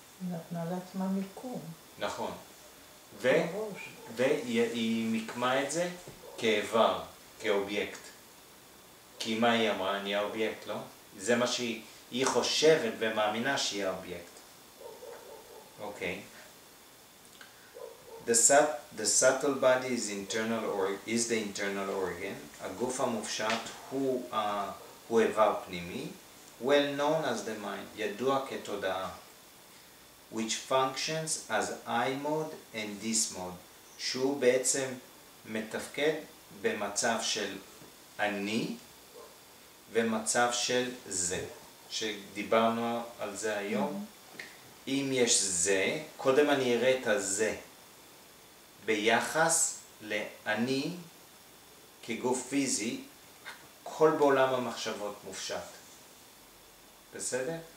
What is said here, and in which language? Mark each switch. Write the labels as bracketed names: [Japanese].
[Hebrew] נתנה לעצמה מיקום. נכון. והיא מקמה את זה כאיבר, כאובייקט. כי מה היא אמרה? אני האובייקט, לא? זה מה שהיא חושבת ומאמינה שהיא האובייקט. אוקיי. [English] The subtle body is internal or is the internal organ. [Hebrew] הגוף המופשט הוא איבר פנימי. [English] Well known as the mind, [Hebrew] ידוע כתודעה. [English] Which functions as I mode and this mode. [Hebrew] שהוא בעצם מתפקד במצב של אני ומצב של זה. שדיברנו על זה היום. אם יש זה, קודם אני אראה את הזה. ביחס לאני כגוף פיזי, כל בעולם המחשבות מופשט. בסדר?